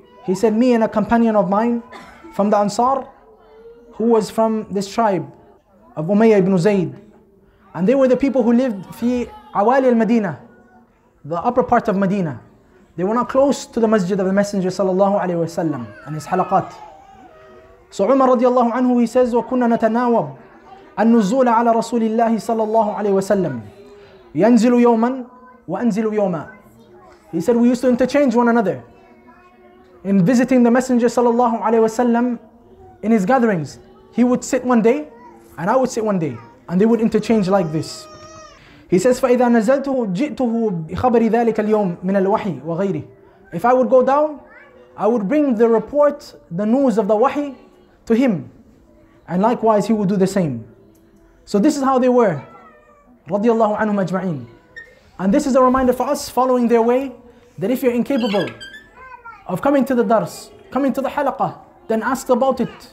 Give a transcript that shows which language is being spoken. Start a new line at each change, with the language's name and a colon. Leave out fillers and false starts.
English: He said, me and a companion of mine from the Ansar, who was from this tribe of Umayyah ibn Zayd. And they were the people who lived fi Awali al-Madinah, the upper part of Medina. They were not close to the masjid of the Messenger sallallahu alayhi wa sallam and his halaqat. So Umar radiallahu anhu, he says,
Arabic: وَكُنَّا نَتَنَاوَبْ أَنُّزُّولَ عَلَى رَسُولِ اللَّهِ صَلَى اللَّهُ عَلَيْهِ وَسَلَّمْ يَنْزِلُ يَوْمًا وَأَنْزِلُ يَوْمًا.
English: He said, we used to interchange one another in visiting the Messenger sallallahu alayhi wasallam in his gatherings. He would sit one day and I would sit one day, and they would interchange like this. He says,
Arabic: فَإِذَا نَزَلْتُهُ جِئْتُهُ بِخَبَرِ ذَلِكَ الْيَوْمِ مِنَ الْوَحِي وَغَيْرِهِ.
English: If I would go down, I would bring the report, the news of the wahi, to him. And likewise, he would do the same. So this is how they were, radiallahu anhum ajma'in. And this is a reminder for us following their way, that if you're incapable of coming to the dars, coming to the halaqah, then ask about it.